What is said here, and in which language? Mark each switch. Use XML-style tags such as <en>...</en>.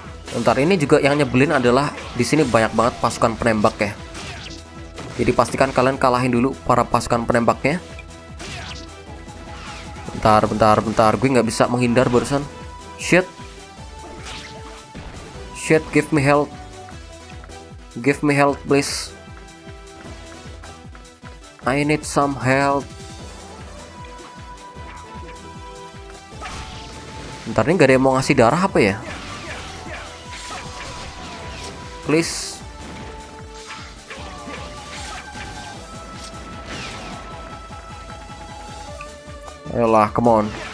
<id>Bentar, ini juga yang nyebelin adalah di sini banyak banget pasukan penembak ya. Jadi pastikan kalian kalahin dulu para pasukan penembaknya. Bentar, gue nggak bisa menghindar barusan.</id> <en>Shit, give me health please, I need some health.</en> <id>Bentar, ini nggak ada yang mau ngasih darah apa ya?</id> <en>Please.</en> <id>Ayolah,</id> <en>come on.</en>